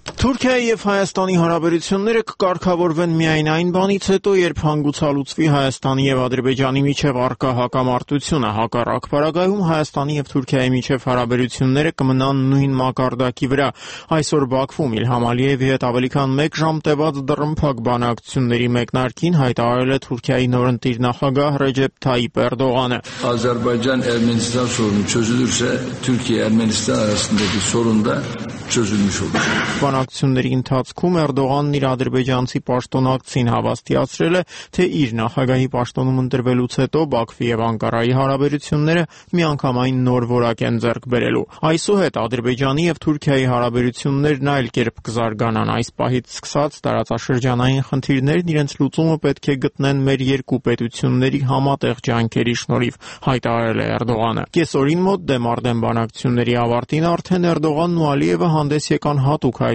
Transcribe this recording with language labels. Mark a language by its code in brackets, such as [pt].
[hy] Թուրքիայի և Հայաստանի հարաբերությունները կկարգավորվեն միայն այն բանից հետո, երբ հանգուցալուծվի Հայաստանի և Ադրբեջանի միջև առկա հակամարտությունը։ Հակառակ պարագայում Հայաստանի և Թուրքիայի միջև հարաբերությունները կմնան նույն մակարդակի վրա։ Այսօր Բաքվում Իլհամ Ալիևի հետ ավելի քան 1 ժամ տևած դռնփակ բանակցությունների մեկնարկին հայտարարել է Թուրքիայի նորընտիր նախագահ Ռեջեփ Թայյիփ Էրդողանը։ Ադրբեջան- [tr] Ermenistan sorunu çözülürse Türkiye-Ermenistan arasındaki sorun da çözülmüş olur։ [hy] Բանակցությունների ընթացքում Էրդողանն իր ադրբեջանցի պաշտոնակցին հավաստիացրել է, թե իր նախագահի պաշտոնում ընտրվելուց հետո Բաքվի և Անկարայի հարաբերությունները միանգամայն նոր որակ են ձեռք բերելու։ Այսուհետ Ադրբեջանի և Թուրքիայի հարաբերություններն այլ կերպ կզարգանան։ Այս պահից սկսած տարածաշրջանային խնդիրներն իրենց լուծումը պետք է գտնեն մեր երկու պետությունների համատեղ ջանքերի շնորհիվ, հայտարարել է Էրդողանը։ Կեսօրին մոտ դեմ Արդեն բանակցությունների ավարտին արդեն Էրդողանն ու Ալիևը հանդես եկան հատուկ